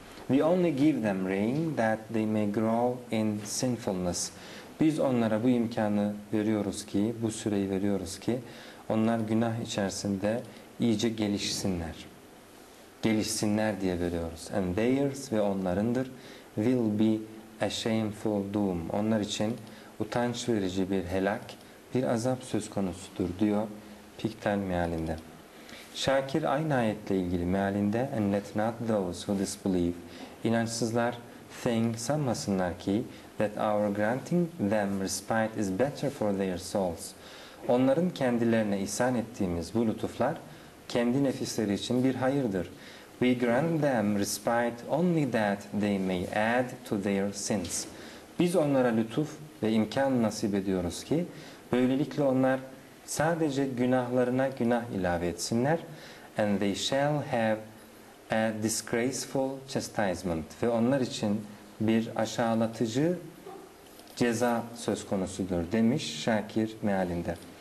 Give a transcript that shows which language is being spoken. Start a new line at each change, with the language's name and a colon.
English: We only give them rain that they may grow in sinfulness.
Turkish: Biz onlara bu imkanı veriyoruz ki, bu süreyi veriyoruz ki onlar günah içerisinde iyice gelişsinler. Gelişsinler diye veriyoruz.
English: And theirs,
Turkish: ve onlarındır,
English: will be a shameful doom.
Turkish: Onlar için utanç verici bir helak, bir azap söz konusudur diyor Pikten mealinde. Şakir aynı ayetle ilgili mealinde
English: and let not those who disbelieve,
Turkish: inançsızlar
English: thing
Turkish: sanmasınlar ki
English: that our granting them respite is better for their souls.
Turkish: Onların kendilerine ihsan ettiğimiz bu lütuflar kendi nefisleri için bir hayırdır.
English: We grant them respite only that they may add to their sins.
Turkish: Biz onlara lütuf ve imkan nasip ediyoruz ki böylelikle onlar sadece günahlarına günah ilave etsinler.
English: And they shall have a disgraceful chastisement.
Turkish: Ve onlar için bir aşağılatıcı ceza söz konusudur demiş Şakir mealinde.